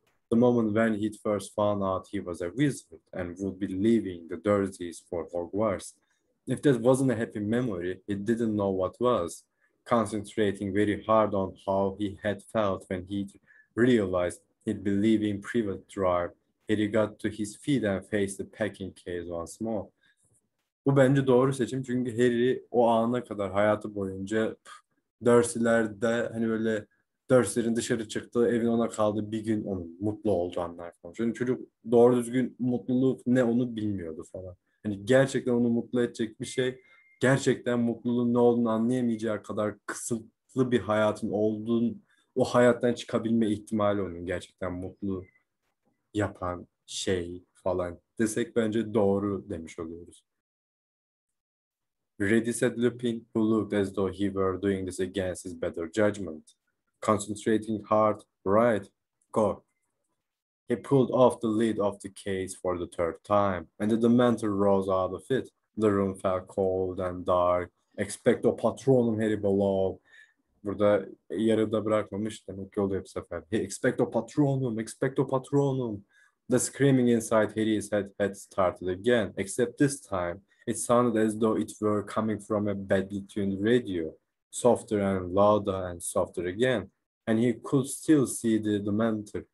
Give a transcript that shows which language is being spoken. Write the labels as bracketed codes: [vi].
[en] The moment when he'd first found out he was a wizard and would be leaving the Dursleys for Hogwarts. If that wasn't a happy memory, he didn't know what was. Concentrating very hard on how he had felt when he'd realized he'd be leaving Privet Drive, Harry got to his feet and faced the packing case once more. [tr] Bu bence doğru seçim çünkü Harry o ana kadar hayatı boyunca Dursley'lerde hani böyle Dursley'in dışarı çıktığı evin ona kaldığı bir gün onun mutlu olduğu anlar konuşuyor. Yani çocuk doğru düzgün mutluluk ne onu bilmiyordu falan. Hani gerçekten onu mutlu edecek bir şey, gerçekten mutluluğun ne olduğunu anlayamayacağı kadar kısıtlı bir hayatın olduğun o hayattan çıkabilme ihtimali onun gerçekten mutlu yapan şey falan desek bence doğru demiş oluyoruz. [en] "Ready," said Lupin, who looked as though he were doing this against his better judgment. "Concentrating hard, right, go." He pulled off the lid of the case for the third time, and the Dementor rose out of it. The room felt cold and dark. "Expecto Patronum," Harry bellowed. [tr] Burada yarıda bırakmamış demek ki oluyor bu sefer. [en] "Hey, expecto Patronum, expecto Patronum." The screaming inside Harry's head had started again, except this time It sounded as though it were coming from a badly tuned radio, softer and louder and softer again, and he could still see the dementor.